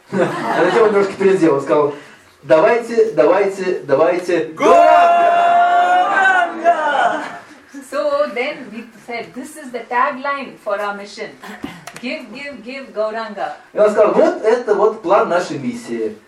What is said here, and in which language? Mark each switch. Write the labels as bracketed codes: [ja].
[ru] А затем он немножко переделал, он сказал, давайте. Гауранга! [en] So then we said, this is the tagline for our mission. Give [ru] Гауранга. И он сказал, вот это вот план нашей миссии.